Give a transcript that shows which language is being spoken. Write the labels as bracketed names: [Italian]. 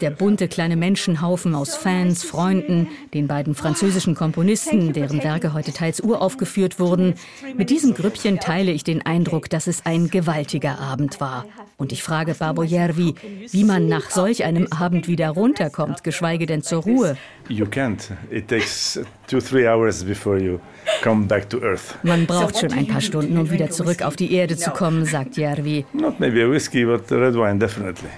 [German] Der bunte kleine Menschenhaufen aus Fans, Freunden, den beiden französischen Komponisten, deren Werke heute teils uraufgeführt wurden. Mit diesem Grüppchen teile ich den Eindruck, dass es ein gewaltiger Abend war. Und ich frage Paavo Järvi, wie man nach solch einem Abend wieder runterkommt, geschweige denn zur Ruhe. [English] You can't. It takes 2-3 hours before you come back to earth. [German] Man braucht schon ein paar Stunden, um wieder zurück auf die Erde zu kommen, sagt Järvi. [English] Not maybe a whiskey, but red wine, definitely.